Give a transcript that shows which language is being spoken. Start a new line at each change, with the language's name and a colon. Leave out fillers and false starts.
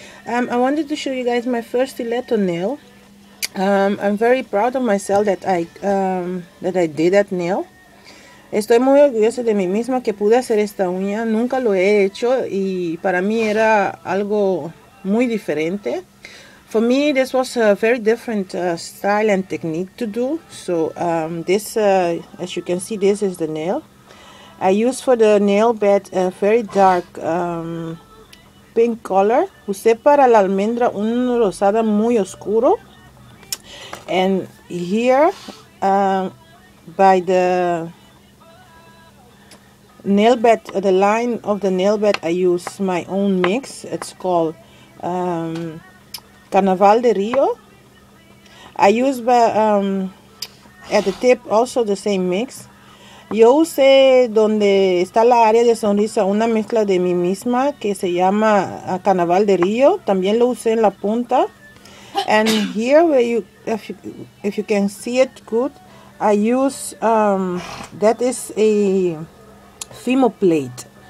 English: I wanted to show you guys my first stiletto nail. I'm very proud of myself that I did that nail.
Spanish: Estoy muy orgullosa de mí misma que pude hacer esta uña. Nunca lo he hecho y para mí era algo muy diferente.
English: For me, this was a very different style and technique to do. So this, as you can see, this is the nail. I use for the nail bed a very dark pink color.
Spanish: Usé para la almendra un rosada muy oscuro.
English: And here, by the nail bed, the line of the nail bed, I use my own mix. It's called Carnaval de Rio. I use at the tip also the same mix.
Spanish: Yo usé donde está la área de sonrisa una mezcla de mí misma que se llama Carnaval de Río. También lo usé en la punta.
English: And here, where you, if you can see it good, I use that is a Fimo plate.